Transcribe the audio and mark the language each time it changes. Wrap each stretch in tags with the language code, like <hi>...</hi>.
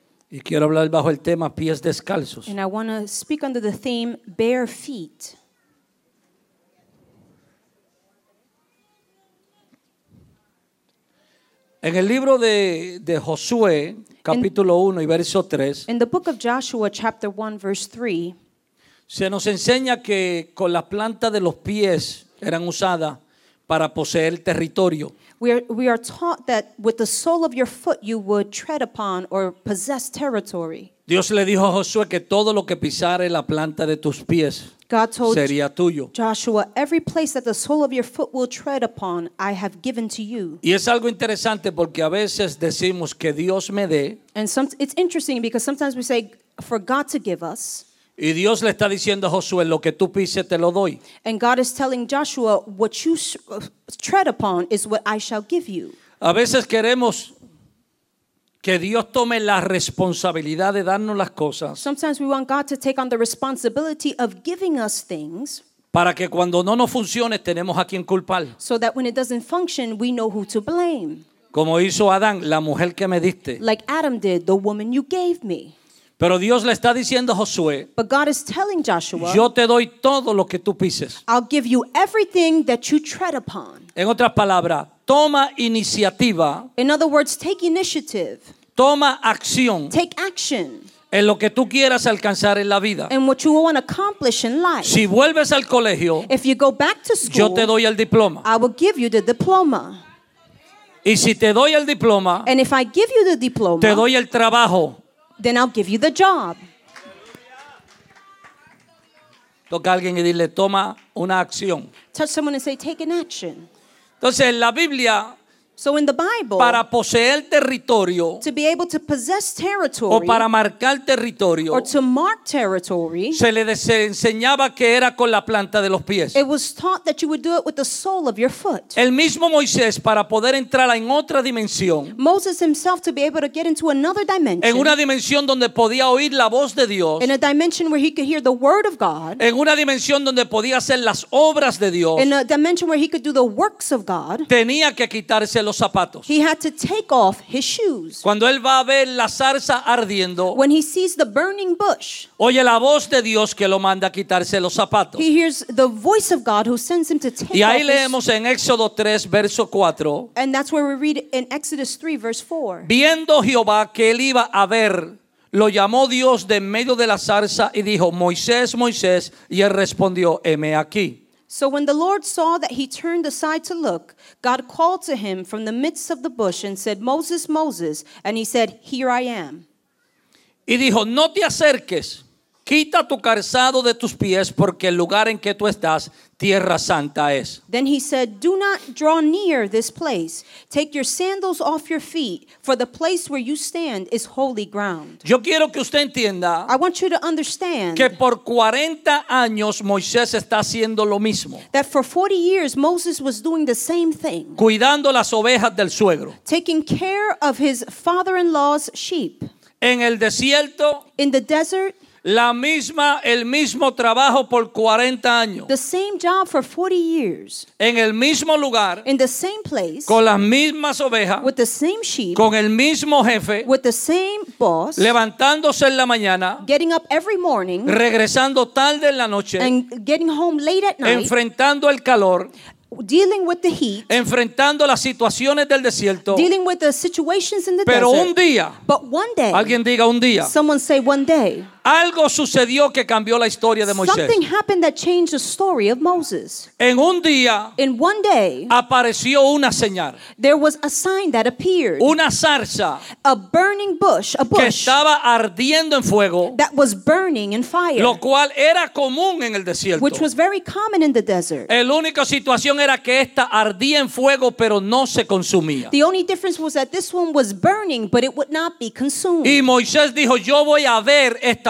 <es>Y quiero hablar bajo el tema pies descalzos.</es> <en>And I want to speak under the theme bare feet.</en> <es>En el libro de Josué, capítulo 1 y verso 3.</es> <en>In the book of Joshua, chapter 1, verse 3.</en> <es>Se nos enseña que con la planta de los pies eran usadas para poseer territorio.</es> <en>We are taught that with the sole of your foot you would tread upon or possess territory.</en> <es>Dios le dijo a Josué que todo lo que pisare la planta de tus pies sería tuyo.</es> <en>Joshua, every place that the sole of your foot will tread upon, I have given to you.</en> <es>Y es algo interesante porque a veces decimos que Dios me dé.</es> <en>And some, it's interesting because sometimes we say for God to give us.</en> <es>Y Dios le está diciendo a Josué, lo que tú pises te lo doy.</es> <en>And God is telling Joshua, what you tread upon is what I shall give you.</en> <es>A veces queremos que Dios tome la responsabilidad de darnos las cosas.</es> <en>Sometimes we want God to take on the responsibility of giving us things.</en> <es>Para que cuando no nos funcione, tenemos a quien culpar.</es> <en>So that when it doesn't function, we know who to blame.</en> <es>Como hizo Adán, la mujer que me diste.</es> <en>Like Adam did, the woman you gave me.</en> <es>Pero Dios le está diciendo a Josué,</es> <en>but God is telling Joshua,</en> <es>yo te doy todo lo que tú pises.</es> <en>I'll give you everything that you tread upon.</en> <es>En otras palabras, toma iniciativa.</es> <en>In other words, take initiative.</en> <es>Toma acción.</es> <en>Take action.</en> <es>En lo que tú quieras alcanzar en la vida.</es> <en>And what you want to accomplish in life.</en> <es>Si vuelves al colegio,</es> <en>if you go back to school,</en> <es>yo te doy el diploma.</es> <en>I will give you the diploma.</en> <es>Y si te doy el diploma,</es> <en>and if I give you the diploma,</en> <es>te doy el trabajo.</es> <en>Then I'll give you the job.</en> <es>Toca a alguien y dile, toma una acción.</es> <en>Touch someone and say, take an action.</en> <es>Entonces, en la Biblia,</es> <en>so in the Bible,</en> <es>para poseer territorio,</es> <en>to be able to possess territory,</en> <es>o para marcar territorio,</es> <en>or to mark territory,</en> <es>se enseñaba que era con la planta de los pies.</es> <en>It was taught that you would do it with the sole of your foot.</en> <es>El mismo Moisés, para poder entrar en otra dimensión,</es> <en>Moses himself, to be able to get into another dimension,</en> <es>en una dimensión donde podía oír la voz de Dios,</es> <en>in a dimension where he could hear the word of God,</en> <es>en una dimensión donde podía hacer las obras de Dios,</es> <en>in a dimension where he could do the works of God,</en> <es>tenía que quitar ese los zapatos.</es> <en>He had to take off his shoes.</en> <es>Cuando él va a ver la zarza ardiendo,</es> <en>when he sees the burning bush,</en> <es>oye la voz de Dios que lo manda a quitarse los zapatos.</es> <en>He hears the voice of God who sends him to take off.</en> <es>Y ahí leemos en Éxodo 3 verso 4.</es> <en>And that's where we read in Exodus 3 verse 4.</en> <es>Viendo Jehová que él iba a ver, lo llamó Dios de en medio de la zarza y dijo, Moisés, Moisés, y él respondió, heme aquí.</es> <en>So when the Lord saw that he turned aside to look, God called to him from the midst of the bush and said, Moses, Moses, and he said, here I am.</en> <es>Y dijo, no te acerques, quita tu calzado de tus pies, porque el lugar en que tú estás, tierra santa es.</es> <en>Then he said, do not draw near this place. Take your sandals off your feet, for the place where you stand is holy ground.</en> <es>Yo quiero que usted entienda,</es> <en>I want you to understand,</en> <es>que por 40 años Moisés está haciendo lo mismo.</es> <en>That for 40 years Moses was doing the same thing.</en> <es>Cuidando las ovejas del suegro.</es> <en>Taking care of his father-in-law's sheep.</en> <es>En el desierto.</es> <en>In the desert.</en> <es>La misma, el mismo trabajo por 40 años.</es> <en>The same job for 40 years.</en> <es>En el mismo lugar.</es> <en>In the same place.</en> <es>Con las mismas ovejas.</es> <en>With the same sheep.</en> <es>Con el mismo jefe.</es> <en>With the same boss.</en> <es>Levantándose en la mañana.</es> <en>Getting up every morning.</en> <es>Regresando tarde en la noche.</es> <en>And getting home late at night.</en> <es>Enfrentando el calor.</es> <en>Dealing with the heat,</en> <es>enfrentando las situaciones del desierto,</es> <en>dealing with the situations in the</en> <es>pero</es> <en>desert,</en> <es>un día,</es> <en>but one day,</en> <es>alguien diga un día,</es> <en>someone say one day,</en> <es>algo sucedió que cambió la historia de Moisés.</es> <en>Something happened that changed the story of Moses.</en> <es>En un día,</es> <en>in one day,</en> <es>apareció una señal.</es> <en>There was a sign that appeared.</en> <es>Una zarza.</es> <en>A burning bush, a bush</en> <es>que estaba ardiendo en fuego.</es> <en>That was burning in fire.</en> <es>Lo cual era común en el desierto.</es> <en>Which was very common in the desert.</en> <es>La única situación era que esta ardía en fuego, pero no se consumía.</es> <en>The only difference was that this one was burning, but it would not be consumed.</en> <es>Y Moisés dijo, yo voy a ver esta</es>